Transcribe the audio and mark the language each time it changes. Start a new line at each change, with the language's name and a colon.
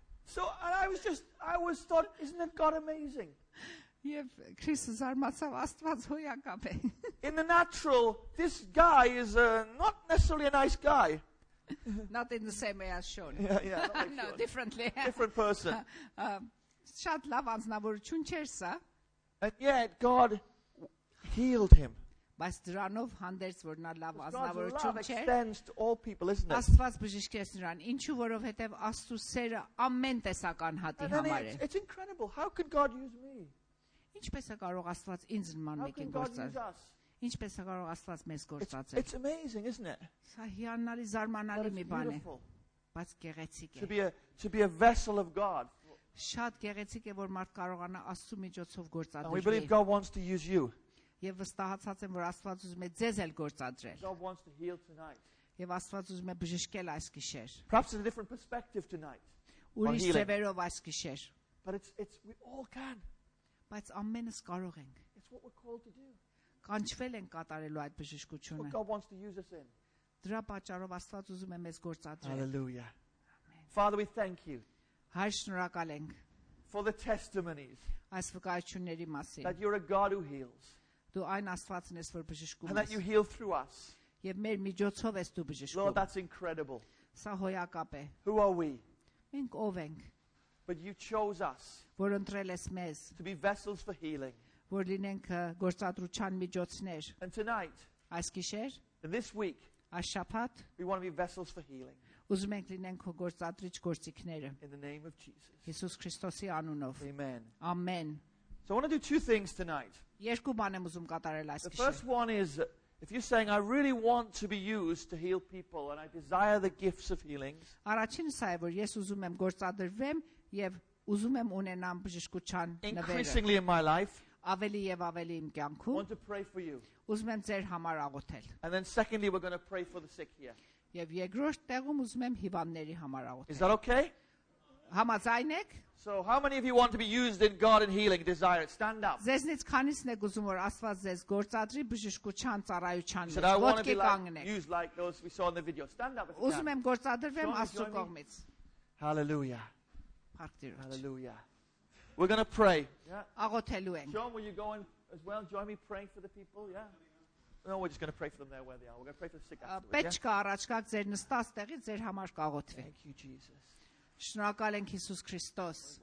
English: So I was thought isn't it God amazing?
Armenian: Եվ Քրիսը զարմացավ, Աստված հոյակապ է։
English: In the natural, this guy is not necessarily a nice guy. Not in the same way as Sean. Yeah, not like no, Sean. Differently. Different person.
Armenian: շատ լավ անձնավորություն չէր սա։
English: And yet God healed him.
Armenian: Բայց դրանով հանդերձ որ նա լավ անձնավորություն չէր։
English: God extends to all people, isn't it?
Armenian: Աստված բժշկեց նրան, ինչու որովհետև Աստծո սերը ամեն տեսական հատի համար է։
English: It's incredible. How could God use me?
Armenian: Ինչպես է կարող Աստված ինձ նման մեկին գործել։ Ինչպես է կարող Աստված մեզ գործածել։
English: It's amazing, isn't it?
Armenian: Սա հիանալի զարմանալի մի բան է։ Բայց գեղեցիկ է։
English: To be a vessel of God.
Armenian: Շատ գեղեցիկ է որ մարդ կարողանա Աստծո միջոցով գործադրել։
English: We believe God wants to use you.
Armenian: Եվ վստահացած եմ որ Աստված ուզում է ձեզ էլ գործադրել։
English: God wants to heal tonight.
Armenian: Եվ Աստված ուզում է բժշկել այս գիշեր։
English: Perhaps in a different perspective tonight.
Armenian: Ուրիշ ձևերով այս գիշեր։
English: But it's we all can.
Armenian: Բայց ամենս կարող ենք։
English: It's what we're called to do.
Armenian: Կանչվել ենք կատարելու այդ բժշկությունը։
English: What God wants to use us in.
Armenian: Դրա պատճառով Աստված ուզում է մեզ գործադրել։
English: Hallelujah. Amen. Father, we thank you.
Armenian: Հայր շնորհակալ ենք։
English: For the testimonies.
Armenian: Այս վկայությունների մասին։
English: That you're a God who heals.
Armenian: Դու այն Աստվածն ես, որ բժշկում ես։
English: And that you heal through us.
Armenian: Եվ մեր միջոցով ես դու բժշկում։
English: Lord, that's incredible.
Armenian: Սա հոյակապ է։
English: Who are we?
Armenian: Մենք ով ենք։
English: But you chose us.
Armenian: Որ ընտրել ես մեզ։
English: To be vessels for healing.
Armenian: Որ լինենք գործադրության միջոցներ։
English: And tonight.
Armenian: Այս գիշեր։
English: This week.
Armenian: Այս շաբաթ։
English: We want to be vessels for healing.
Armenian: Ուզում ենք լինենք քո գործադրիչ գործիքները։
English: In the name of Jesus.
Armenian: Հիսուս Քրիստոսի անունով։
English: Amen. Amen. So I want to do two things tonight.
Armenian: Երկու բան եմ ուզում կատարել այս գիշեր։
English: The first one is if you're saying I really want to be used to heal people and I desire the gifts of healing.
Armenian: Առաջինը սա է, որ ես ուզում եմ գործադրվեմ եւ ուզում եմ ունենամ բժշկության նվերը։
English: Increasingly in my life.
Armenian: Ավելի եւ ավելի իմ կյանքում։
English: I want to pray for you.
Armenian: Ուզում եմ ձեր համար աղոթել։
English: And then secondly we're going to pray for the sick here.
Armenian: Եվ երկրորդ տեղում ուզում եմ հիվանդների համար աղոթել։
English: Is that okay?
Armenian: Համաձայն եք?
English: So how many of you want to be used in God and healing? Desire it. Stand up.
Armenian: Ձեզնից քանիսն եք ուզում որ Աստված ձեզ գործադրի բժշկության ծառայության մեջ? Ոտքի կանգնեք։
English: Use like those we saw in the video. Stand up.
Armenian: Ուզում եմ գործադրվեմ Աստծո կողմից։
English: Hallelujah.
Armenian: Հարգելի։
English: Hallelujah. We're going to pray.
Armenian: Աղոթելու ենք։
English: John, will you go in as well? Join me praying for the people. Yeah. No, we're just going to pray for them there where they are. We're going to pray for the sick afterwards.
Armenian: Պետքա առաջ կա ձեր նստած տեղից ձեր համար կաղոթվի։
English: Thank you Jesus.
Armenian: Շնորհակալ ենք Հիսուս Քրիստոս։